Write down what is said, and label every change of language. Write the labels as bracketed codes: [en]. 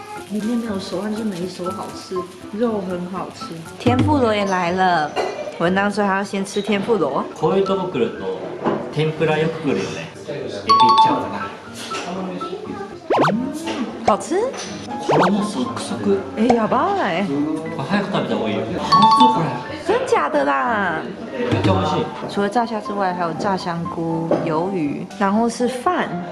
[zh] 里面没有熟，但是每一熟好吃，肉很好吃。天妇罗也来了，文章说还要先吃天妇罗。 [ja] こういうとこ来ると天ぷらよく来るよね。エビちゃうな。 [zh] 好吃？ [ja] 衣サックサク。哎，やばい。早く食べた方がいいよ。 [zh] 好吃 [ja] これ。 [zh] 真假的啦？ [ja] めっちゃ美味しい。 [zh] 除了炸虾之外，还有炸香菇、鱿鱼，然后是饭。